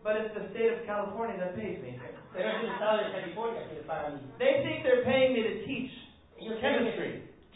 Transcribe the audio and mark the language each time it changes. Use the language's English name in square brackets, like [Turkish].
[English] But it's the state of California that pays me. [Spanish] Pero es el estado de California que paga a mí. [English] They think they're paying me to teach chemistry.